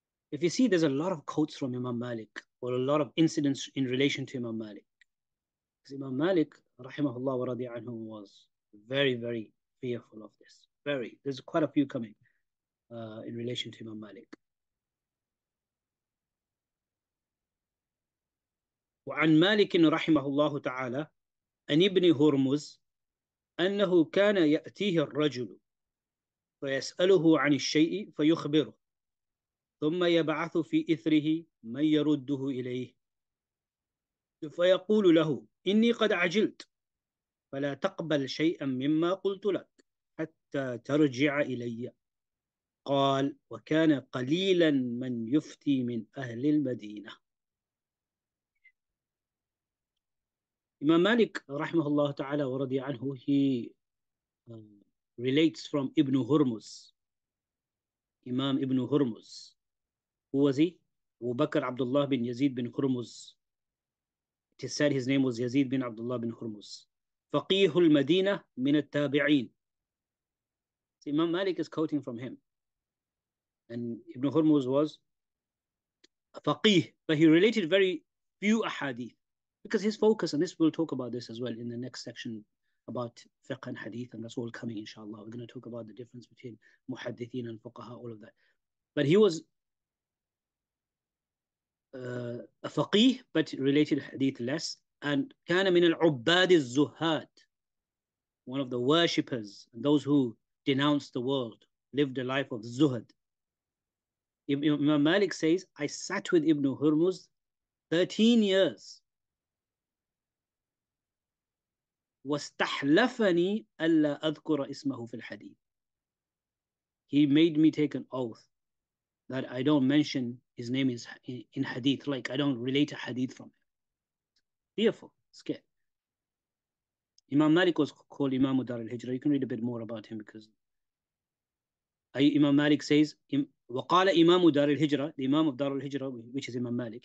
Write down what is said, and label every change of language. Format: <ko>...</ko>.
<en>If you see, there's a lot of quotes from Imam Malik, or a lot of incidents in relation to Imam Malik. Because Imam Malik, rahimahullah wa radi anhu, was very, very fearful of this. Very. There's quite a few coming in relation to Imam Malik.</en> <ar>وَعَنْ مَالِكٍ رَحِمَهُ اللَّهُ تَعَالَى أَنْ إِبْنِ هُرْمُزْ أَنَّهُ كَانَ يَأْتِيهِ الرَّجُلُ فَيَسْأَلُهُ عَنِ الشَّيْءِ فَيُخْبِرُ ثم يبعث في إثره من يرده إليه فيقول له إني قد عجلت فلا تقبل شيئا مما قلت لك حتى ترجع إلي قال وكان قليلا من يفتي من أهل المدينة.</ar> <en>Imam Malik</en> <ar>رحمه الله تعالى ورضي عنه,</ar> <en>he relates from Ibn Hurmuz. Imam Ibn Hurmuz. Who was he? Abu Bakr Abdullah bin Yazid bin Hurmuz. It is said his name was Yazid bin Abdullah bin Hurmuz.</en> <ar>فقيه المدينة من التابعين.</ar> <en>See, Imam Malik is quoting from him. And Ibn Hurmuz was faqih, but he related very few ahadith. Because his focus, and this we'll talk about this as well in the next section about fiqh and hadith, and that's all coming, inshallah. We're going to talk about the difference between muhaddithin and fuqaha, all of that. But he was a faqih, but related hadith less. And</en> <ar>kana min al-ubbad al-zuhad,</ar> <en>one of the worshippers, those who denounced the world, lived a life of zuhad. Imam Malik says, I sat with Ibn Hurmuz 13 years.</en> <ar>واستحلفني ألا أذكر اسمه في الحديث.</ar> <en>He made me take an oath that I don't mention his name is in hadith, like I don't relate a hadith from him. Fearful, scared. Imam Malik was called Imam Dar al-Hijra. You can read a bit more about him, because Imam Malik says,</en> <ar>وقال إمام دار الهجرة,</ar> <en>the Imam of Dar al-Hijra, which is Imam Malik.</en>